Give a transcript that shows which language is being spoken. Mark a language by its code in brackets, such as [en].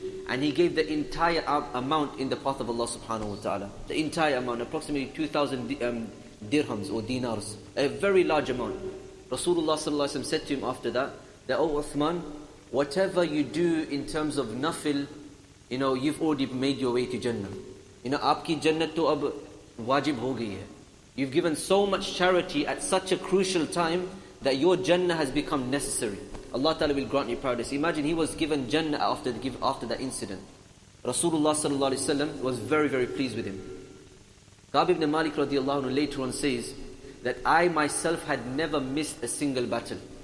[en] And he gave the entire amount in the path of Allah subhanahu wa ta'ala. The entire amount, approximately 2,000 dirhams or dinars, a very large amount. Rasulullah sallallahu alaihi wasallam said to him after that, O Uthman, whatever you do in terms of nafil, you know, you've already made your way to Jannah. You know, [ur] آپکی جنت تو اب واجب ہو گئی ہے۔ [en] You've given so much charity at such a crucial time that your Jannah has become necessary. Allah Ta'ala will grant you paradise. Imagine he was given Jannah after that incident. Rasulullah Sallallahu Alaihi Wasallam was very, very pleased with him. Ka'b ibn Malik radiallahu anhu later on says that I myself had never missed a single battle.